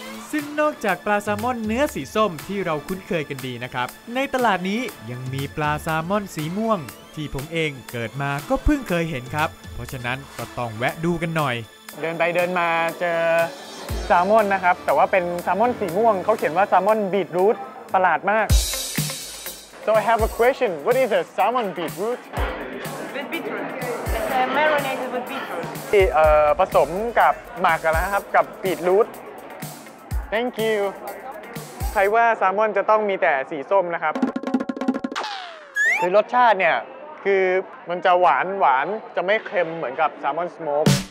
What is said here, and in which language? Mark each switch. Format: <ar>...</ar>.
<th>ซึ่งนอกจากปลาแซลมอนเนื้อสีส้มที่เราคุ้นเคยกันดีนะครับในตลาดนี้ยังมีปลาแซลมอนสีม่วงที่ผมเองเกิดมาก็เพิ่งเคยเห็นครับเพราะฉะนั้นก็ต้องแวะดูกันหน่อย เดินไปเดินมาเจอแซลมอนนะครับแต่ว่าเป็นแซลมอนสีม่วงเขาเขียนว่าแซลมอนบีทรูทประหลาดมาก</th> <en>So I have a question what is a salmon beetroot with beetroot it's marinated with beetroot</en> <th>ที่ผสมกับหมากนะครับกับบีทรูท</th> <en>Thank you.</en> <th>ใครว่าแซลมอนจะต้องมีแต่สีส้มนะครับคือรสชาติเนี่ยคือมันจะหวานหวานจะไม่เค็มเหมือนกับแซลมอนสโมก</th>